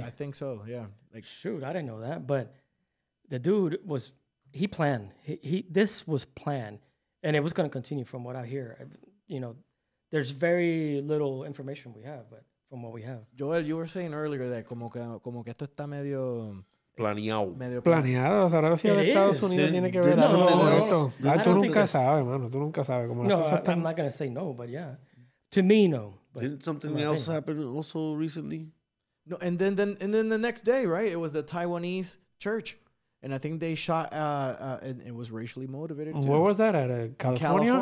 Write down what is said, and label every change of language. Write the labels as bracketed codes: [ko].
[en] Too. I think so, yeah. Shoot, I didn't know that. But the dude was, he planned. This was planned, and it was going to continue from what I hear. There's very little information we have, but from what we have. Joel, you were saying earlier that [es] como que esto está medio... Planeado. O sea, ahora sí, Estados Unidos tiene que ver con esto. Tú nunca sabes, mano. Tú nunca sabes cómo las cosas están. [en] No, I'm not going to say no, but yeah. To me, no. But didn't something else happen also recently? No, and then the next day, right? It was the Taiwanese church. And I think they shot, and it was racially motivated too. Where was that? At California?